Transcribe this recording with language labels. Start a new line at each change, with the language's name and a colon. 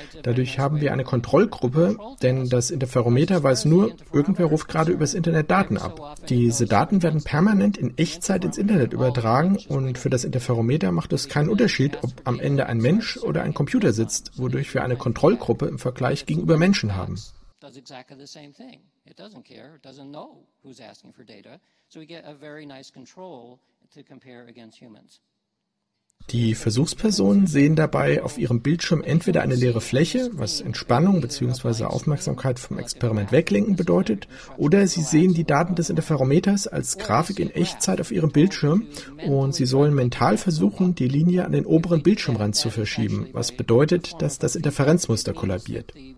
German: Dadurch haben wir eine Kontrollgruppe, denn das Interferometer weiß nur, irgendwer ruft gerade übers Internet Daten ab. Diese Daten werden permanent in Echtzeit ins Internet übertragen und für das Interferometer macht es keinen Unterschied, ob am Ende ein Mensch oder ein Computer sitzt, wodurch wir eine Kontrollgruppe im Vergleich gegenüber Menschen haben.
English: Does exactly the same thing. It doesn't care, it doesn't know who's asking for data. So we get a very nice control to compare against humans.
German: Die Versuchspersonen sehen dabei auf ihrem Bildschirm entweder eine leere Fläche, was Entspannung bzw. Aufmerksamkeit vom Experiment weglenken bedeutet, oder sie sehen die Daten des Interferometers als Grafik in Echtzeit auf ihrem Bildschirm und sie sollen mental versuchen, die Linie an den oberen Bildschirmrand zu verschieben, was bedeutet, dass das Interferenzmuster kollabiert.